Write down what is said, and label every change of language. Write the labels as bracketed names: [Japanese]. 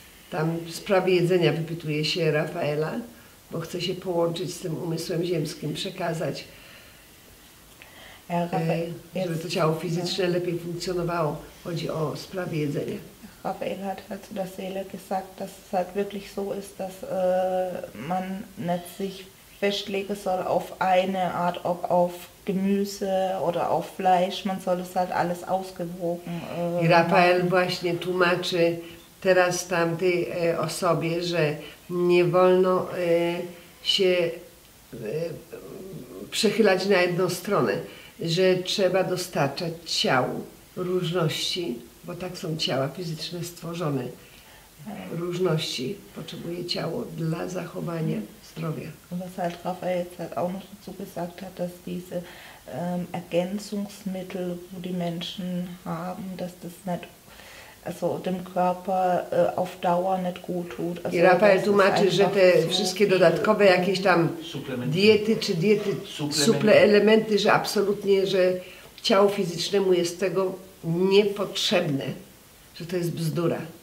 [Polish] Tam w sprawie jedzenia wypytuje się Rafaela, bo chce się połączyć z tym umysłem ziemskim, przekazać, żeby to ciało fizyczne lepiej funkcjonowało. Chodzi o sprawie jedzenia. [German] Rafael hat halt zu der Seele gesagt, dass es halt wirklich so ist, dass man nicht sich festlegen soll auf eine Art, ob auf Gemüse oder auf Fleisch. Man soll es halt alles ausgewogen machen. [Polish] Rafael właśnie tłumaczy teraz tamtej osobie, że nie wolno się przechylać na jedną stronę, że trzeba dostarczać ciał różności, bo tak są ciała fizyczne stworzone. Różności potrzebuje ciało dla zachowania zdrowia. [German] Was halt Rafael jetzt halt auch noch dazu gesagt hat, dass diese Ergänzungsmittel, wo die Menschen haben, dass das nicht also dem Körper auf Dauer nicht gut tut. Also, [Polish] i Rafael tłumaczy, że te wszystkie dodatkowe jakieś tam diety, suplementy, że absolutnie, że ciało fizycznemu jest tego niepotrzebne, że to jest bzdura.